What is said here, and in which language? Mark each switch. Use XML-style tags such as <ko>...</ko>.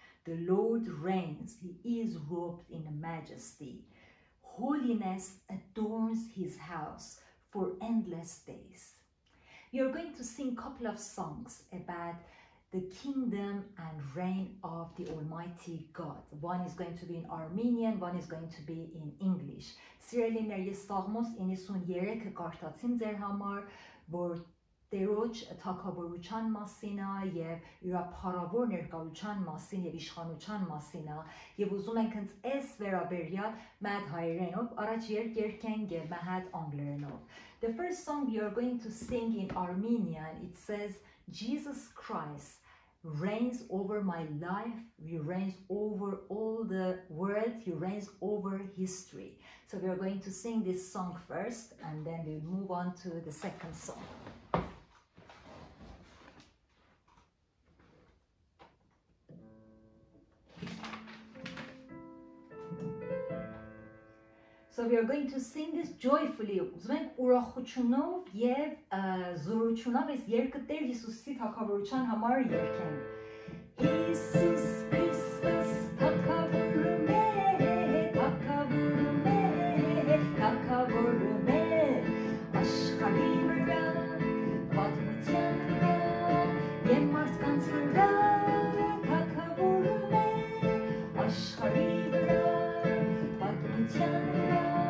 <en>The Lord reigns. He is robed in majesty. Holiness adorns His house for endless days. We are going to sing a couple of songs about the kingdom and reign of the Almighty God. One is going to be in Armenian, one is going to be in English.</en> <hy>Սիրելիներ, ես սաղմոս 93-ը կարդացին ձեր համար, որ Տերոջ թագավորության մասին է եւ յուրաքանչյուր ներկայության մասին եւ իշխանության մասին է եւ ուզում ենք հենց այս վերաբերյալ մեդ հայերենով առաջ երկենք եւ մեդ անգլերենով.</hy> <en>The first song we are going to sing in Armenian, it says, "Jesus Christ reigns over my life, He reigns over all the world, He reigns over history." So we are going to sing this song first and then we'll move on to the second song. So we are going to sing this joyfully.</en> <hy>Մենք ուրախությունով եւ զորությունով այս երգը Տեր Հիսուսի թագավորության համար երգենք. Հիսուս Քրիստոս թագավորում է, թագավորում է, թագավորում է աշխարհի վրա, պատմության վրա, եւ մարդկանց վրա, թագավորում է աշխարհի վրա, պատմության վրա.</hy>